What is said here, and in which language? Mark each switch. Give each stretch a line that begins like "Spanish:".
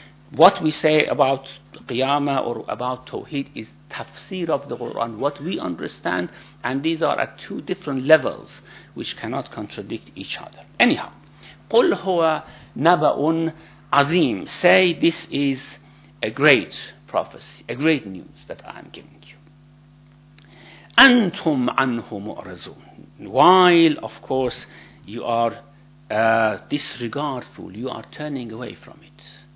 English: What we say about Qiyamah or about Tawheed is tafsir of the Quran, what we understand, and these are at two different levels which cannot contradict each other. Anyhow,
Arabic: قُلْ هُوَ نَبَأٌ عَظِيمٌ.
English: Say, this is a great prophecy, a great news that I am giving you.
Arabic: أَنْتُمْ عَنْهُ مُعْرَزُونَ.
English: While, of course, you are disregardful, you are turning away from it.